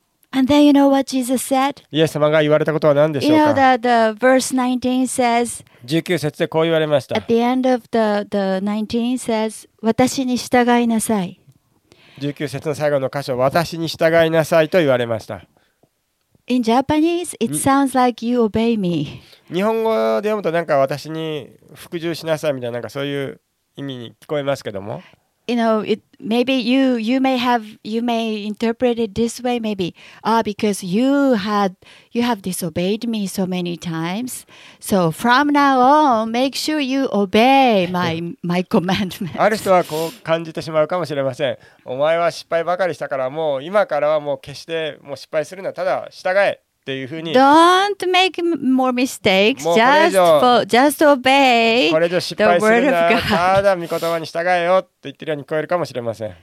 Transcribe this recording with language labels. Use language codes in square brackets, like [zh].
[en] And then you know what Jesus said? [ja] イエス様が言われたことは何でしょうか? [en] You know that the verse 19 says, [ja] 19節でこう言われました。 [en] At the end of the 19 says, [ja] 私に従いなさい。 19節の最後の箇所、私に従いなさいと言われました。 [en] In Japanese, it sounds like you obey me. [ja] 日本語で読むとなんか私に服従しなさいみたいななんかそういう意味に聞こえますけども。 [en] You know, you may interpret it this way, maybe. Ah, because you have disobeyed me so many times. So from now on, make sure you obey my commandments. [ja] ある人はこう感じてしまうかもしれません。お前は失敗ばかりしたから、もう今からはもう決してもう失敗するな。ただ従え。 [en] Don't make more mistakes. Just obey the word of God. [ja] ただ御言葉に従えよって言ってるように聞こえるかもしれません。